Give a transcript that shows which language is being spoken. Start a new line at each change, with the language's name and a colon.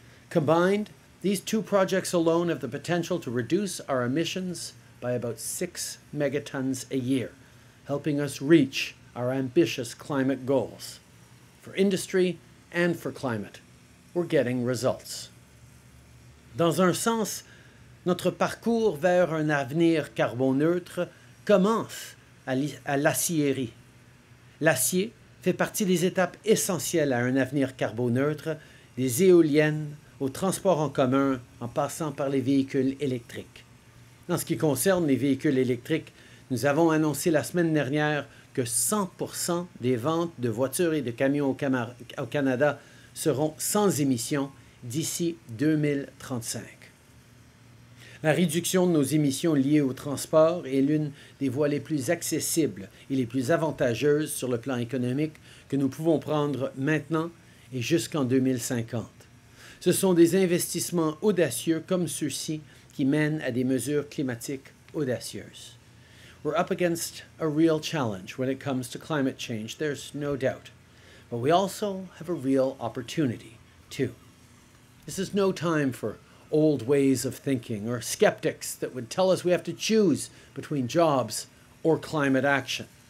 English: Combined, these two projects alone have the potential to reduce our emissions by about 6 megatons a year, helping us reach our ambitious climate goals. For industry and for climate, we're getting results.
French: Dans un sens, notre parcours vers un avenir carbone neutre commence à l'aciérie. L'acier fait partie des étapes essentielles à un avenir carbone neutre, des éoliennes au transport en commun en passant par les véhicules électriques. En ce qui concerne les véhicules électriques, nous avons annoncé la semaine dernière que 100% des ventes de voitures et de camions au Canada seront sans émissions d'ici 2035. La réduction de nos émissions liées au transport est l'une des voies les plus accessibles et les plus avantageuses sur le plan économique que nous pouvons prendre maintenant et jusqu'en 2050. Ce sont des investissements audacieux comme ceux-ci qui mènent à des mesures climatiques audacieuses.
English: We're up against a real challenge when it comes to climate change, there's no doubt. But we also have a real opportunity, too. This is no time for old ways of thinking or skeptics that would tell us we have to choose between jobs or climate action.